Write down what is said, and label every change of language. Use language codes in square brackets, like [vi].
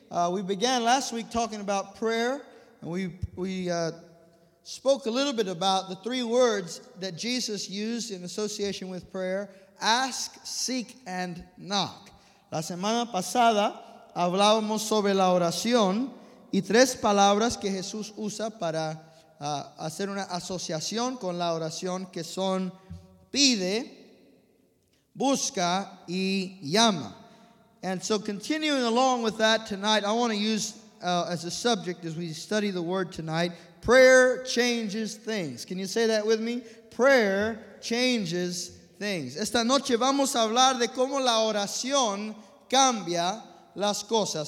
[en] We began last week talking about prayer, and we spoke a little bit about the three words that Jesus used in association with prayer: ask, seek, and knock. [es] La semana pasada hablábamos sobre la oración y tres palabras que Jesús usa para hacer una asociación con la oración, que son pide, busca, y llama. [en] And so continuing along with that tonight, I want to use as a subject as we study the word tonight, prayer changes things. Can you say that with me? Prayer changes things. [es] Esta noche vamos a hablar de cómo la oración cambia las cosas.